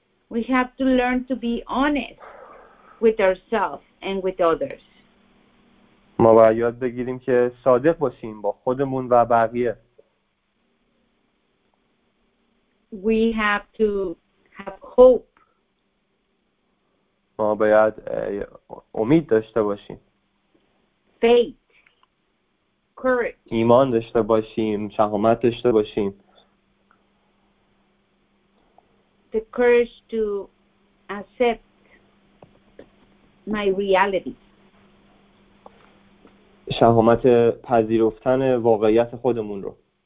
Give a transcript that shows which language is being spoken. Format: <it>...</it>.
<en>We have to learn to be honest with ourselves and with others.</en> <fa>ما باید یاد بگیریم که صادق باشیم با خودمون و بقیه.</fa> <en>We have to have hope.</en> <fa>ما باید امید داشته باشیم.</fa> <en>Faith. Courage.</en> <fa>ایمان داشته باشیم، شجاعت داشته باشیم.</fa> <en>The courage to accept my reality.</en> <fa>شجاعت پذیرفتن واقعیت خودمون رو.</fa>